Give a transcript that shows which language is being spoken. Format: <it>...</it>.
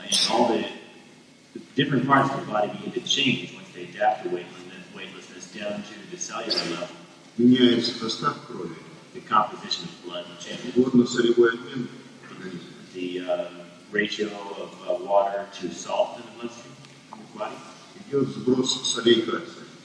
<en>All the different parts of the body begin to change once they adapt to weightlessness down to the cellular level.</en> <ru>Меняется состав крови.</ru> <en>The composition of blood changes.</en> <ru>Горно-солевой обмен в организме.</ru> <en>The ratio of water to salt in the bloodstream, in the body.</en> <ru>Идет сброс солей кальция.</ru>